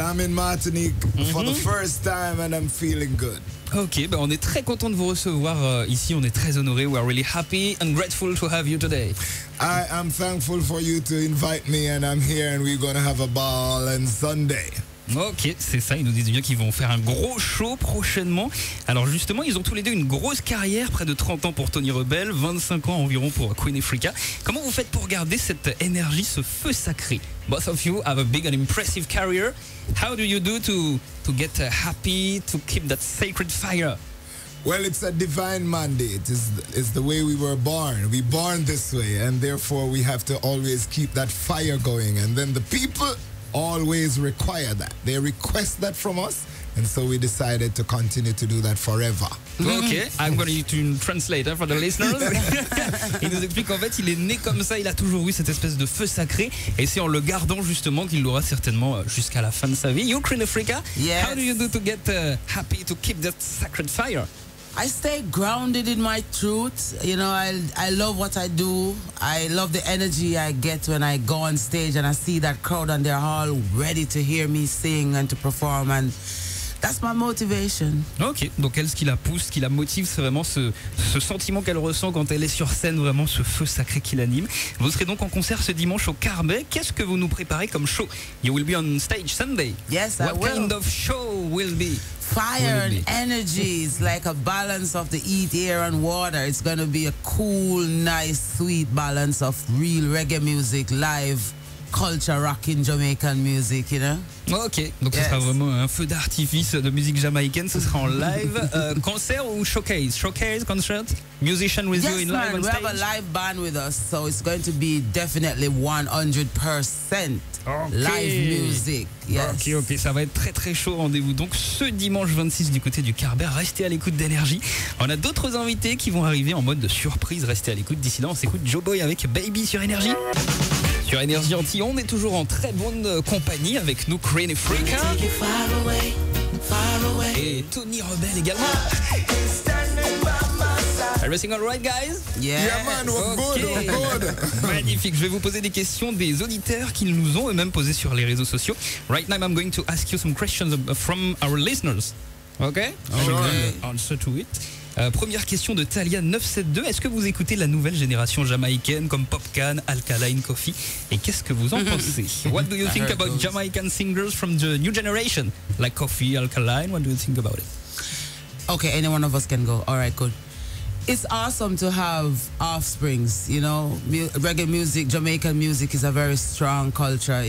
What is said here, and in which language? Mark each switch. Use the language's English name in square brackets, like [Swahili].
[English] I'm in Martinique for the first time and I'm feeling good. [French] Ok, bah on est très content de vous recevoir ici. On est très honoré. [English] We are really happy and grateful to have you today. I am thankful for you to invite me and I'm here and we're gonna have a ball on Sunday. [French] Ok, c'est ça, ils nous disent bien qu'ils vont faire un gros show prochainement. Alors justement, ils ont tous les deux une grosse carrière, près de 30 ans pour Tony Rebel, 25 ans environ pour Queen Africa. Comment vous faites pour garder cette énergie, ce feu sacré? [English] Both of you have a big and impressive career. How do you do to get happy, to keep that sacred fire? Well, it's a divine mandate. It's the way we were born. We born this way and therefore we have to always keep that fire going. And then the people always require that. They request that from us, and so we decided to continue to do that forever. Okay, I'm going to translate for the listeners. [French] Il nous explique qu'en fait, il est né comme ça, il a toujours eu cette espèce de feu sacré, et c'est en le gardant justement qu'il l'aura certainement jusqu'à la fin de sa vie. [English] You, Queen Africa, yes. How do you do to get happy to keep that sacred fire? I stay grounded in my truth. You know, I love what I do. I love the energy I get when I go on stage and I see that crowd and they're all ready to hear me sing and to perform. And that's my motivation. [French] Ok, donc elle, ce qui la pousse, ce qui la motive, c'est vraiment ce sentiment qu'elle ressent quand elle est sur scène, vraiment ce feu sacré qui l'anime. Vous serez donc en concert ce dimanche au Carbet. Qu'est-ce que vous nous préparez comme show? [English] You will be on stage Sunday. Yes, what I will. What kind of show will be? Fire and energy is like a balance of the heat, air and water. It's going to be a cool, nice, sweet balance of real reggae music, live, culture, rocking, Jamaican music, you know? [French] Ok, donc [English] yes. [French] Ce sera vraiment un feu d'artifice de musique jamaïcaine. Ce sera en live, concert ou showcase? [English] Showcase, concert, musician with yes, you in live man. On stage? Yes, we have a live band with us, so it's going to be definitely 100%. Okay. Live music, yes. [French] Ok, ça va être très très chaud. Rendez-vous donc ce dimanche 26 du côté du Carbet. Restez à l'écoute d'Energy. On a d'autres invités qui vont arriver en mode de surprise. Restez à l'écoute. D'ici là, on s'écoute Joe Boy avec Baby sur Energy. Sur Energy Anti, on est toujours en très bonne compagnie avec nous, Queen Africa. Et Tony Rebel également. [English] Everything all right, guys? Yes. Yeah, man, we're good, okay. We're good. [French] Magnifique. Je vais vous poser des questions des auditeurs qui nous ont eux-mêmes posées sur les réseaux sociaux. [English] Right now, I'm going to ask you some questions from our listeners. Okay? Sure. Answer to it. [French] Première question de Talia 972. Est-ce que vous écoutez la nouvelle génération jamaïcaine comme Popcan, Alkaline, Koffi? Et qu'est-ce que vous en pensez? [English] What do you think about those Jamaican singers from the new generation? Like Koffi, Alkaline, what do you think about it? Okay, any one of us can go. All right, good. It's awesome to have offsprings, you know. Reggae music, Jamaican music is a very strong culture.